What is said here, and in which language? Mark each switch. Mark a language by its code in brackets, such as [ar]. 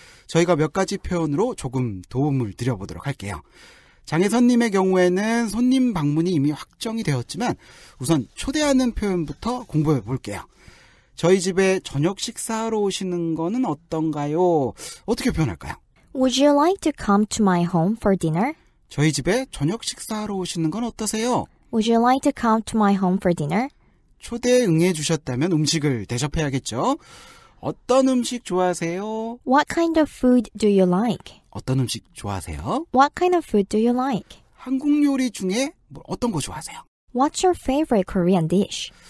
[ko] 저희가 몇 가지 표현으로 조금 도움을 드려보도록 할게요. 장혜선님의 경우에는 손님 방문이 이미 확정이 되었지만 우선 초대하는 표현부터 공부해 볼게요. 저희 집에 저녁 식사하러 오시는 거는 어떤가요? 어떻게 표현할까요? [en] Would you like to come to my home for dinner? [ko] 저희 집에 저녁 식사하러 오시는 건 어떠세요? [en] Would you like to come to my home for dinner? [ko] 초대에 응해 주셨다면 음식을 대접해야겠죠. 어떤 음식 좋아하세요? [en] What kind of food do you like? [ko] 어떤 음식 좋아하세요? [en] What kind of food do you like? [ko] 한국 요리 중에 뭐 어떤 거 좋아하세요? [en] What's your favorite Korean dish?